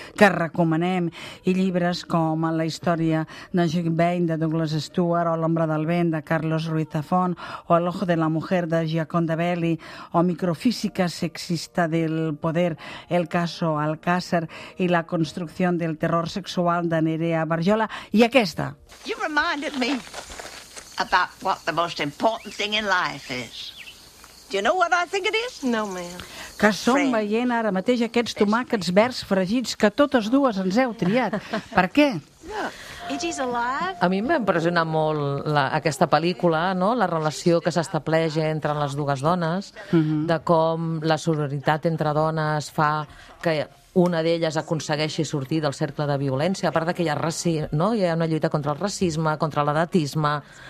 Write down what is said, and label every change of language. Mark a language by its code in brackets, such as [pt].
[ca] que recomanem, i llibres com La història de Jane Bain, de Douglas Stewart, o L'ombra del vent, de Carlos Ruiz Zafón, o El ojo de la mujer, de Gioconda Belli, o Microfísica sexista del poder, El caso Alcácer, i La construcció del terror sexual, de Nerea Barjola, i aquesta. [en] You reminded me about what the most important thing in life is. Do you know what I think it is? No, ma'am. [ca] Que som veient ara mateix aquests tomàquets verds fregits que totes dues ens heu triat. Per què? A mi m'ha impressionat molt aquesta pel·lícula, no? La relació que s'estableix entre les dues dones, de com la sororitat entre dones fa que una d'elles aconsegueixi sortir del cercle de violència, a part que hi ha una lluita contra el racisme, contra l'edatisme,